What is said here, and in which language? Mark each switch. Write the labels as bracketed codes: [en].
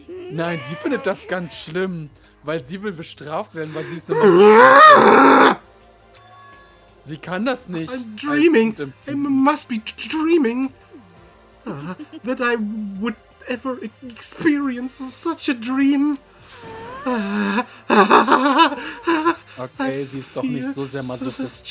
[de] Nein, sie findet das ganz schlimm, weil sie will bestraft werden, weil sie ist eine Sie kann das nicht. [en] I'm dreaming. I must be dreaming. That I would ever experience such a dream. [de] Okay, sie ist doch nicht so sehr masochistisch.